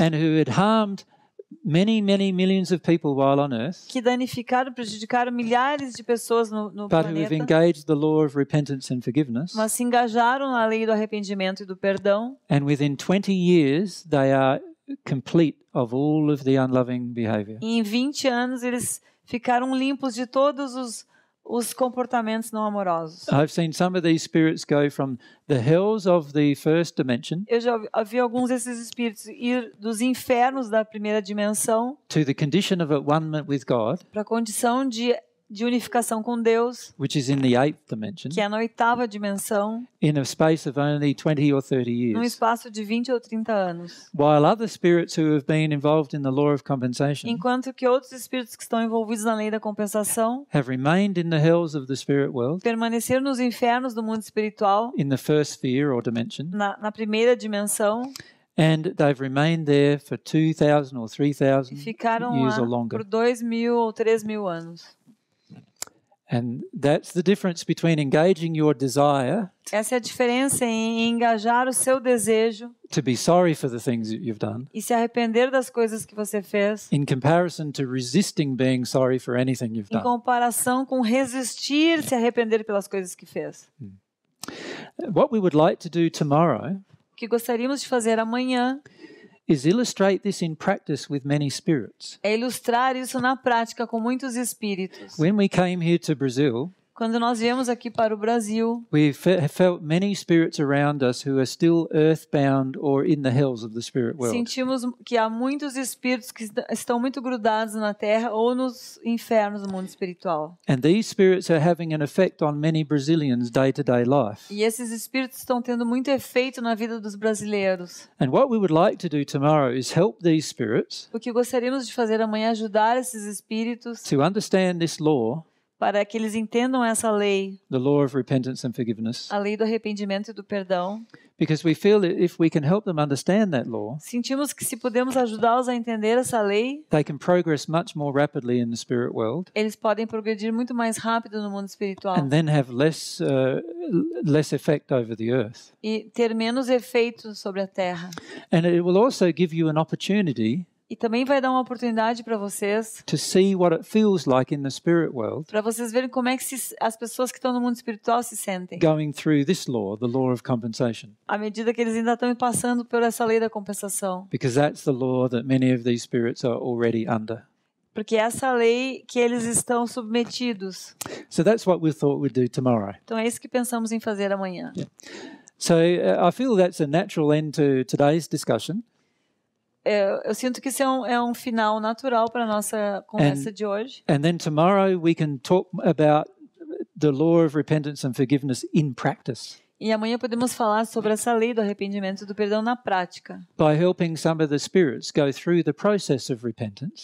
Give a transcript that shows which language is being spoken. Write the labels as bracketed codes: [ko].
[en] And who had harmed many, many millions of people while on earth. [pt] Que danificaram, prejudicaram milhares de pessoas no planeta. [en] But who have engaged the law of repentance and forgiveness. [pt] Mas se engajaram na lei do arrependimento e do perdão. [en] And within 20 years they are complete of all of the unloving behavior. [pt] Em 20 anos eles ficaram limpos de todos os comportamentos não amorosos. [en] I've seen some of these spirits go from the hells of the first dimension. [pt] Eu já vi alguns desses espíritos ir dos infernos da primeira dimensão. [en] To the condition of atonement with God. [pt] Para a condição de unificação com Deus. [en] Which is in the eighth dimension. [pt] Que é na oitava dimensão. [en] In a space of only 20 or 30 years. [pt] Num espaço de 20 ou 30 anos. [en] While other spirits who have been involved in the law of compensation. [pt] Enquanto que outros espíritos que estão envolvidos na lei da compensação. [en] Have remained in the hells of the spirit world. [pt] Permaneceram nos infernos do mundo espiritual. [en] In the first sphere or dimension. [pt] Na primeira dimensão. [en] And they've remained there for 2000 or 3000 years or longer. [pt] Ficaram lá por 2000 ou 3000 anos. [en] And that's the difference between engaging your desire. [pt] Essa é a diferença em engajar o seu desejo. [en] To be sorry for the things that you've done. [pt] E se arrepender das coisas que você fez. [en] In comparison to resisting being sorry for anything you've done. [pt] Em comparação com resistir se arrepender pelas coisas que fez. [en] What we would like to do tomorrow. [pt] O que gostaríamos de fazer amanhã. [en] Is illustrate this in practice with many spirits. [pt] É ilustrar isso na prática com muitos espíritos. [en] When we came here to Brazil, [pt] Quando nós viemos aqui para o Brasil, [en] we felt many spirits around us who are still earthbound or in the hells of the spirit world. [pt] Sentimos que há muitos espíritos que estão muito grudados na terra ou nos infernos do mundo espiritual. [en] And these spirits are having an effect on many Brazilians' day-to-day life. [pt] E esses espíritos estão tendo muito efeito na vida dos brasileiros. [en] And what we would like to do tomorrow is help these spirits. [pt] O que gostaríamos de fazer amanhã é ajudar esses espíritos [en] to understand this law. [pt] Para que eles entendam essa lei. [en] The law of repentance and forgiveness. [pt] A lei do arrependimento e do perdão. [en] Because we feel that if we can help them understand that law. [pt] Sentimos que se podemos ajudá-los a entender essa lei. [en] They can progress much more rapidly in the spirit world. [pt] Eles podem progredir muito mais rápido no mundo espiritual. [en] And then have less effect over the earth. [pt] E ter menos efeito sobre a terra. [en] And it will also give you an opportunity. [pt] E também vai dar uma oportunidade para vocês. [en] To see what it feels like in the spirit world. [pt] Para vocês verem como é que as pessoas que estão no mundo espiritual se sentem. [en] Going through this law, the law of compensation. [pt] À medida que eles ainda estão passando por essa lei da compensação. [en] Because that's the law that many of these spirits are already under. [pt] Porque essa lei que eles estão submetidos. [en] So that's what we thought we'd do tomorrow. [pt] Então é isso que pensamos em fazer amanhã. [en] Yeah. So I feel that's a natural end to today's discussion. [pt] Eu sinto que isso é um final natural para a nossa conversa de hoje. [en] And then tomorrow we can talk about the law of repentance and forgiveness in practice. [pt] E amanhã podemos falar sobre essa lei do arrependimento e do perdão na prática. [en] By helping some of the spirits go through the process of repentance.